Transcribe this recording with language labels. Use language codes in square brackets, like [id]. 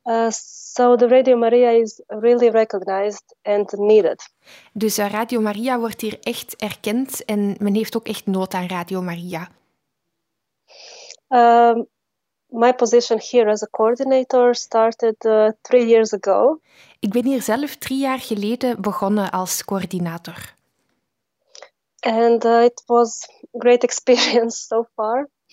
[en] So the Radio Maria is really recognized and needed. [nl] Dus Radio Maria wordt hier echt erkend en men heeft ook echt nood aan Radio Maria. [en] My position here as a coordinator started 3 years ago. [nl] Ik ben hier zelf 3 jaar geleden begonnen als coördinator. [en] And it was a great experience so far.